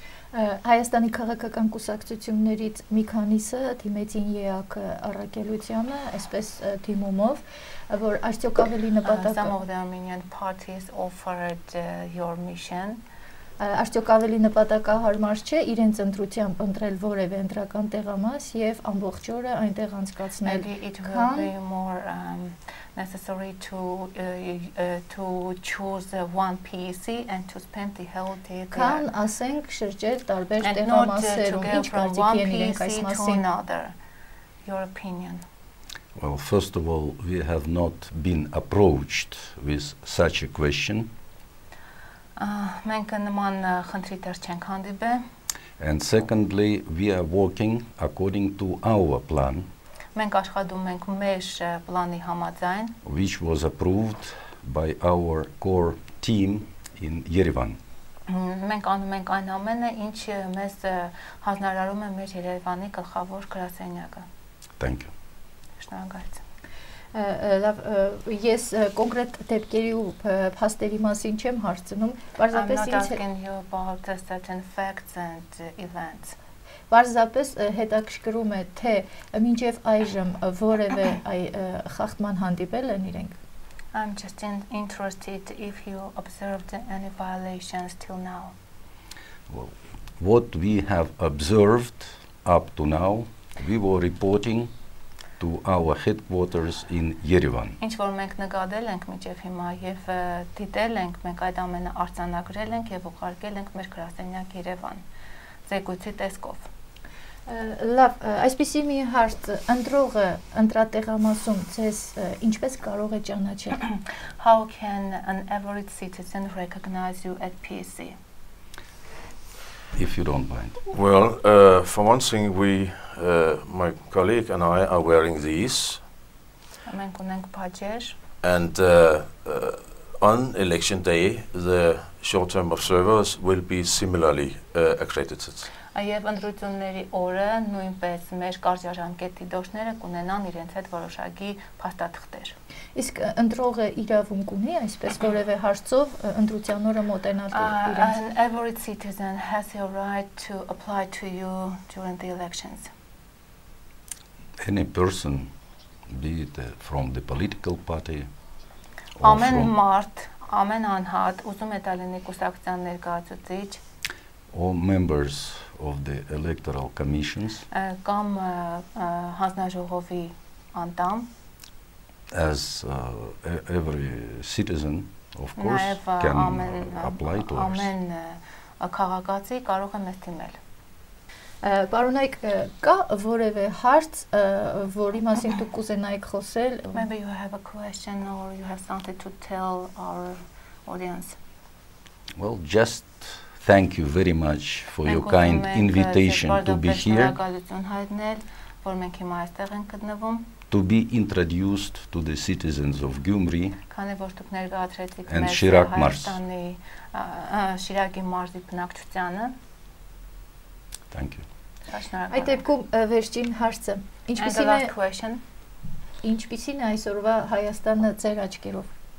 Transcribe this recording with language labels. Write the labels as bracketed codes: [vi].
[hy] Հայաստանի քաղաքական կուսակցություններից մի քանիսը դիմեցին ԵԱԿ առաքելությանը, այսպես դիմումով, որ արդյոք ավելի նպատակ [en] Some of the Armenian parties offered your mission. [hy] Արդյոք ավելի նպատակահարմար չէ իրենց ընտրությամբ ընտրել որևէ ընտրական տեղամաս եւ ամբողջ օրը այնտեղ անցկացնել։ [en] Necessary to choose one PEC and to spend the whole day there. [hy] Կան ասենք շրջել տարբեր տեղամասերում, ինչ կարծիքի ունեք այս մասին? [en] Your opinion. Well, first of all, we have not been approached with such a question. [hy] Մենք նման խնդրի դեռ չենք հանդիպել. [en] And secondly, we are working according to our plan. [hy] Մենք աշխատում ենք մեր պլանի համաձայն, [en] which was approved by our core team in Yerevan. [hy] Մենք անում ենք այն ամենը, ինչ մեզ հանձնարարում է մեր Երևանի գլխավոր գրասենյակը. [en] Thank you. [hy] Շնորհակալ եմ. Լավ, ես կոնկրետ դեպքերի ու փաստերի մասին չեմ հարցնում, պարզապես ինձ [en] Can you about certain facts and events? [hy] Պարզապես հետաքրքրում է, թե մինչև այժմ որևէ խախտման հանդիպել են իրենք։ [en] I'm just interested if you observed any violations till now. Well, what we have observed up to now, we were reporting to our headquarters in Yerevan. [hy] Ինչ որ մենք նկատել ենք մինչև հիմա եւ դիտել ենք, մենք այդ ամենը արձանագրել ենք եւ ուղարկել ենք մեր գրասենյակ Երևան ծեկուցի տեսքով։ Լավ, այսպեսի մի հարց, ընդրողը ընտրատեղամասում ցես ինչպես կարող է ճանաչել? [en] How can an average citizen recognize you at PC? If you don't mind. Well, for one thing, my colleague and I are wearing these. [hy] Մենք ունենք բաժեր. [en] And on election day, the short-term observers will be similarly accredited. [hy] Այև ընդրությունների օրը նույնպես մեր կարճաժամկետի դիտողները կունենան իրենց հետ որոշակի փաստաթղթեր։ Իսկ ընդրողը իրավունք ունի այսպես որևէ հարցով ընդրության օրը մոտենալու իրավունք։ [en] An every citizen has a right to apply to you during the elections. Any person, be it from the political party, [hy] ամեն մարդ, ամեն անհատ ուզում է դա լինի կուսակցության ներկայացուցիչ [en] all members of the electoral commissions [hy] կամ հանձնաժողովի անդամ [en] as every citizen of course can apply to [hy] ամեն քաղաքացի կարող է մեզ դիմել Պարոնայք, կա որևէ հարց, որի մասին դուք կուզենայիք խոսել? [en] Maybe you have a question or you have something to tell our audience. Well, just thank you very much for your kind invitation to be here. [hy] Շնորհակալություն հայտնել, որ մենք հիմա այստեղ ենք գտնվում. [en] To be introduced to the citizens of Gyumri. [hy] Քանի որ դուք ներկայացրեցիք մեզ Հայաստանի Շիրակի մարզի բնակչությանը. [en] Thank you. [hy] Այդ դեպքում վերջին հարցը. Ինչպիսին է Ինչպիսին է այսօրվա Հայաստանը ձեր աչքերով?